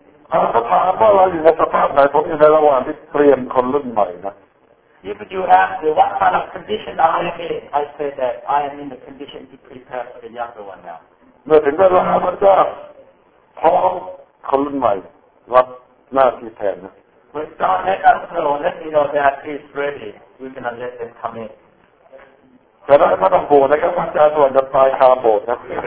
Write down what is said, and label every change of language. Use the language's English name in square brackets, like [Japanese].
[Thai] เราถามว่าเราอยู่ในสภาพไหนผมในระหว่างที่เตรียมคนรุ่นใหม่นะ [English] If you ask me what kind of condition I am in, I say that I am in the condition to prepare for the younger one now. [Thai] เมื่อถึงเวลาพระเจ้าพร้อมคนรุ่นใหม่รับหน้าที่แทนนะ [English] When God let us know, let me know that He is ready, we're going to let them come in. [Thai] แต่เราไม่ต้องโบนะครับอาจารย์ส่วนจะตายคาโบนะ